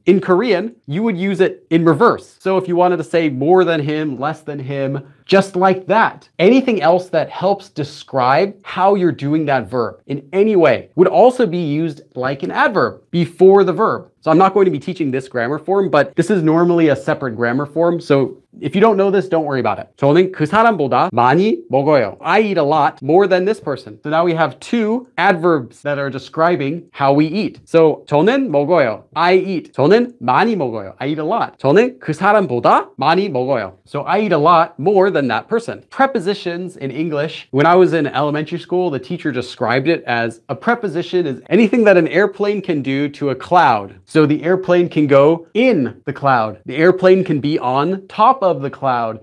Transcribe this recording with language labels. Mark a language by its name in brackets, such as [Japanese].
[English] In Korean, you would use it in reverse. So if you wanted to say more than him, less than him, just like that. Anything else that helps describe how you're doing that verb in any way would also be used like an adverb before the verb. So I'm not going to be teaching this grammar form, but this is normally a separate grammar form. So if you don't know this, don't worry about it. [Korean] 저는 그 사람보다 많이 먹어요. [English] I eat a lot more than this person. So now we have two adverbs that are describing how we eat. So [Korean] 저는 먹어요. [English] I eat. [Korean] 저는 많이 먹어요. [English] I eat a lot. [Korean] 저는 그 사람보다 많이 먹어요. [English] So I eat a lot more than that person. Prepositions in English, when I was in elementary school, the teacher described it as a preposition is anything that an airplane can do to a cloud. So the airplane can go in the cloud. The airplane can be on top of the cloud.